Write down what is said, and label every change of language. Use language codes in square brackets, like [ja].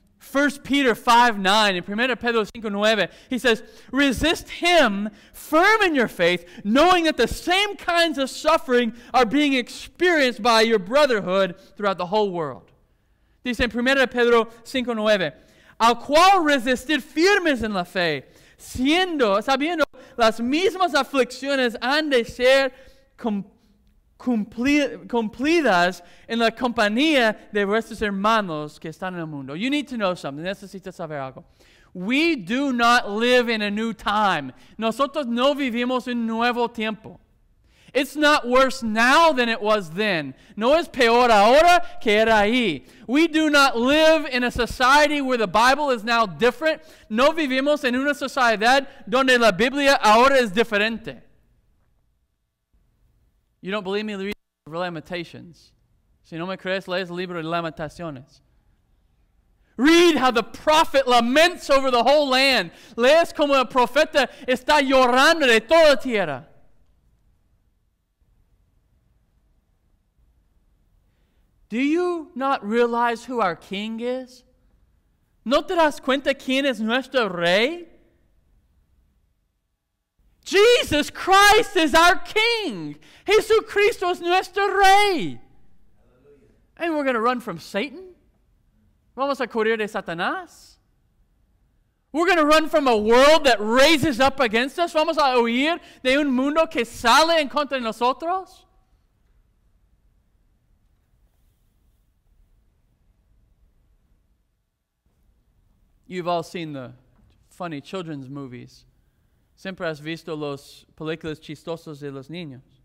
[en] 1 Peter 5:9 and 1 Pedro 5:9, he says, resist him firm in your faith, knowing that the same kinds of suffering are being experienced by your brotherhood throughout the whole world. [es] Dice en 1 Pedro 5:9, al cual resistid firmes en la fe, sabiendo las mismas aflicciones han de ser cumplidas en la compañía de vuestros hermanos que están en el mundo. [en] You need to know something. [es] Necesitas saber algo. [en] We do not live in a new time. [es] Nosotros no vivimos un nuevo tiempo. [en] It's not worse now than it was then. [es] No es peor ahora que era ahí. [en] We do not live in a society where the Bible is now different. No vivimos en una sociedad donde la Biblia ahora es diferente. You don't believe me? Read the Libro de Lamentaciones. [es] Si no me crees, lee el Libro de Lamentaciones. [en] Read how the prophet laments over the whole land. [es] Lees como el profeta está llorando de toda tierra. [en] Do you not realize who our king is? [es] ¿No te das cuenta quién es nuestro rey? [en] Jesus Christ is our king. [es] Jesucristo es nuestro rey. [en] Hallelujah. And we're going to run from Satan? [es] ¿Vamos a correr de Satanás? [en] We're going to run from a world that raises up against us? [es] ¿Vamos a huir de un mundo que sale en contra de nosotros? [en] You've all seen the funny children's movies. [es] Siempre has visto los películas chistosas de los niños.